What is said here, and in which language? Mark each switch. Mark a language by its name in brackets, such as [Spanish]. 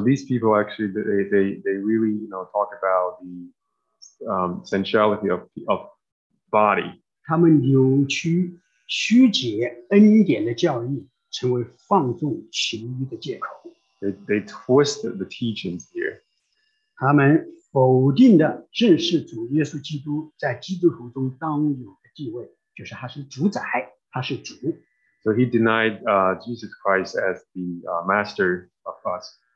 [English] these people actually, they really, you know, talk about the sensuality of body. [Chinese] 他们扭曲恩典的教义，成为放纵其余的借口。They [English] twist the teachings here. [Chinese] 他们否定的正是主耶稣基督在基督徒中当有的地位，就是他是主宰，他是主。So [English] he denied Jesus Christ as the master of us.